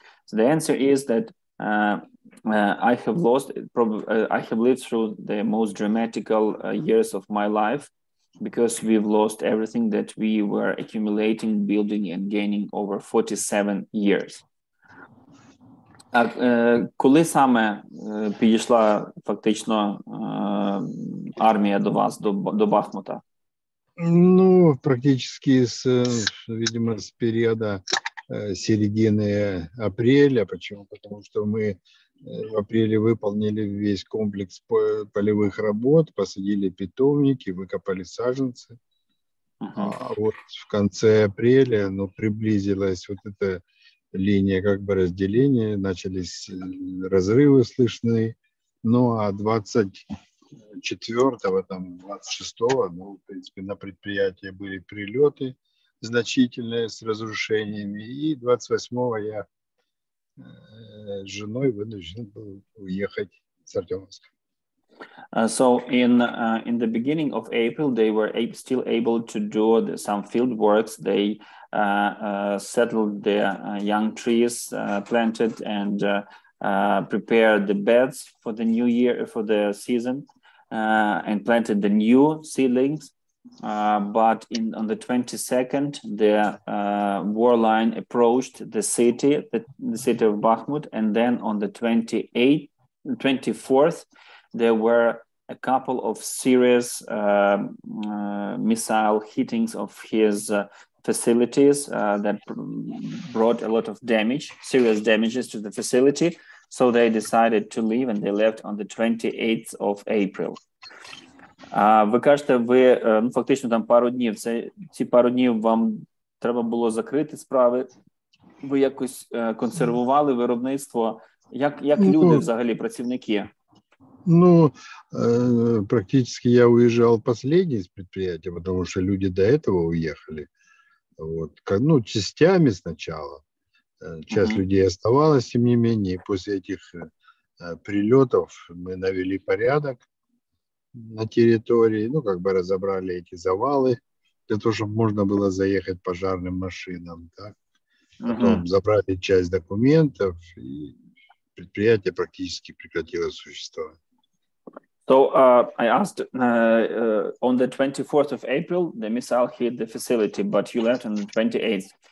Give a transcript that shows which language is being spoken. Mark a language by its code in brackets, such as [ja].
[en] So the answer is that I have lost. I have lived through the most dramatical years of my life because we've lost everything that we were accumulating, building, and gaining over 47 years. [uk] А коли саме підійшла фактично армія до вас, до Бахмута? [ru] Ну, практически, видимо, с периода середины апреля. Почему? Потому что мы в апреле выполнили весь комплекс полевых работ, посадили питомники, выкопали саженцы. А вот в конце апреля, ну, приблизилась вот эта линия как бы разделения, начались разрывы слышные. Ну, а 24-го, там, 26-го, ну, в принципе, на предприятии были прилеты значительные с разрушениями. И 28-го я с женой вынужден был уехать с Артемовска. [en] So in the beginning of April, they were still able to do some field works. They settled the young trees planted and prepared the beds for the new year, for the season, and planted the new seedlings. But on the 22nd, the war line approached the city of Bakhmut, and then on the 24th, there were a couple of serious missile hittings of his facilities that brought a lot of damage, serious damages to the facility. So they decided to leave, and they left on the 28th of April. [uk] Ви кажете, ви ну, фактично там пару днів. Ці пару днів вам треба було закрити справи. Ви якось консервували виробництво. Як люди взагалі, працівники? [ru] Ну, практически я уезжал последний из предприятия, потому что люди до этого уехали. Вот, ну, частями сначала. Часть uh-huh. людей оставалась, тем не менее. После этих прилетов мы навели порядок на территории. Ну, как бы разобрали эти завалы для того, чтобы можно было заехать пожарным машинам. Так? Потом uh-huh. забрали часть документов, и предприятие практически прекратило существовать. [en] So I asked on the 24th of April, the missile hit the facility, but you left on the 28th.